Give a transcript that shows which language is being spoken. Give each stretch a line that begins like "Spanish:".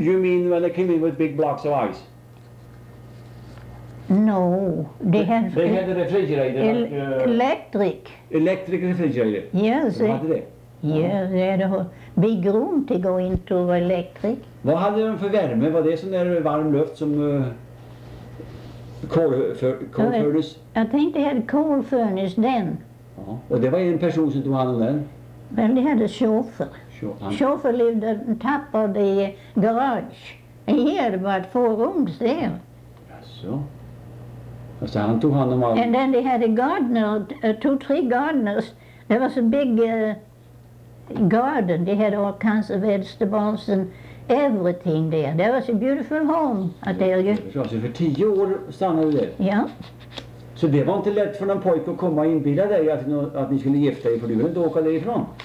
English: You mean when they came in with big blocks of ice? No, they had a refrigerator. Electric. Electric refrigerator? Yes. Yeah, they had a big room to go into electric.
Swedish: Vad hade de för värme? Var det sån där varm luft som coal furnace?
English: I think they had a coal furnace then.
Swedish: Ja. Och det var en person som tog hand om den?
English: Well, they had a chauffeur. Chauffeur lived at the top of the garage. And he had about four rooms there.
Swedish: Jaså. Alltså han tog hand om all...
English: And then they had a gardener, two, three gardeners. There was a big garden. They had all kinds of vegetables and everything there. There was a beautiful home, I tell you.
Swedish: Så för 10 år stannade du där? Ja. Så det var inte lätt för någon pojke att komma och inbilla dig att ni skulle gifta er, för du ville inte åka därifrån?